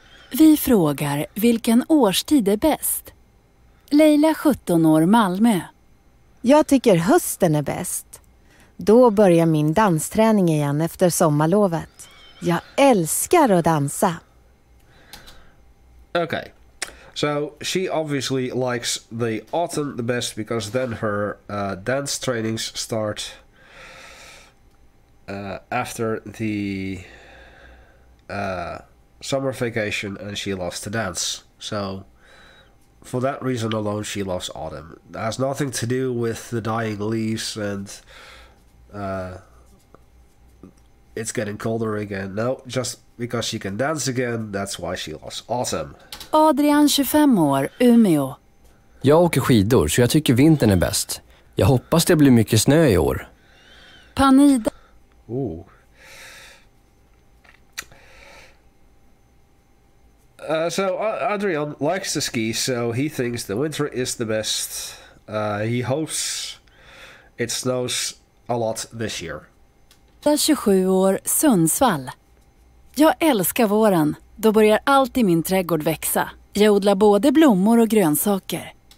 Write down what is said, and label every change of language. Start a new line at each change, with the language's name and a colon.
Swedish: Vi frågar vilken årstid är bäst. Leila, 17 år, Malmö. Jag tycker hösten är bäst. Då börjar min dansträning igen efter sommarlovet. Jag älskar att dansa.
English: Okay, so she obviously likes the autumn the best because then her dance trainings start after the summer vacation and she loves to dance. So for that reason alone, she loves autumn. It has nothing to do with the dying leaves and it's getting colder again. No, just because she can dance again, that's why she loves autumn.
Swedish: Adrian, 25 år, Umeå. Jag åker skidor, så jag tycker vintern är bäst. Jag hoppas det blir mycket snö i år. Panida. Ooh.
English: So Adrian likes to ski, so he thinks the winter is the best. He hopes it snows a lot this year.
Swedish: 27 år, Sundsvall. Jag älskar våren. Då börjar allt i min trädgård växa. Jag odlar både blommor och grönsaker.